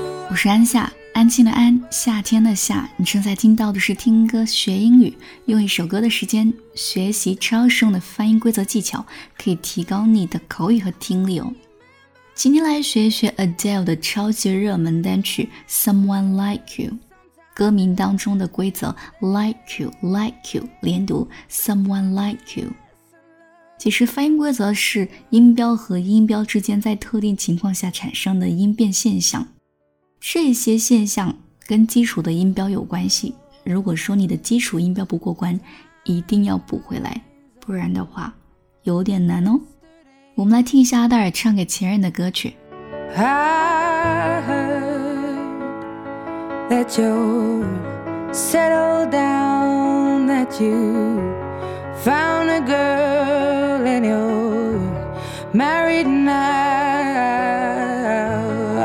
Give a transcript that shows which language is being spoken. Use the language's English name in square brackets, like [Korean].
[Chinese] 我是安夏，安静的安，夏天的夏。你正在听到的是听歌学英语，用一首歌的时间学习超实用的发音规则技巧，可以提高你的口语和听力哦。今天来学一学 Adele 的超级热门单曲 Someone Like You。歌名当中的规则 Like You Like You 连读 Someone Like You。其实发音规则是音标和音标之间在特定情况下产生的音变现象，这些现象跟基础的音标有关系。如果说你的基础音标不过关，一定要补回来，不然的话有点难哦。我们来听一下阿黛尔唱给前任的歌曲。 [English] I heard that you settled down, that you found a girl and you're married now.